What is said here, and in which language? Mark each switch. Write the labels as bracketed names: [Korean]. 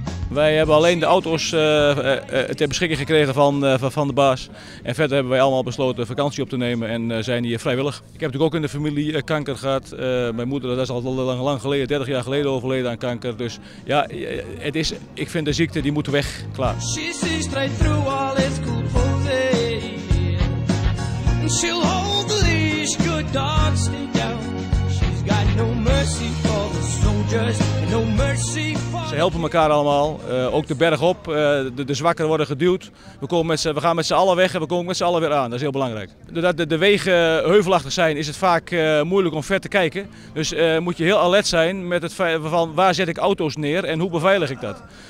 [Dutch] Wij hebben alleen de auto's ter beschikking gekregen van de baas. En verder hebben wij allemaal besloten vakantie op te nemen en zijn hier vrijwillig. Ik heb natuurlijk ook in de familie kanker gehad. Mijn moeder dat is al lang geleden, 30 jaar geleden overleden aan kanker. Dus ja, ik vind de ziekte, die moet weg. Klaar. [English] She sees straight through all its cool posing. She'll hold the leash, good dogs stay down. She's got no mercy for the soldiers. No mercy for... [Dutch] Ze helpen elkaar allemaal, ook de berg op, de zwakkeren worden geduwd. We gaan met z'n allen weg en we komen met z'n allen weer aan, dat is heel belangrijk. Doordat de wegen heuvelachtig zijn, is het vaak moeilijk om ver te kijken. Dus moet je heel alert zijn met het feit van waar zet ik auto's neer en hoe beveilig ik dat.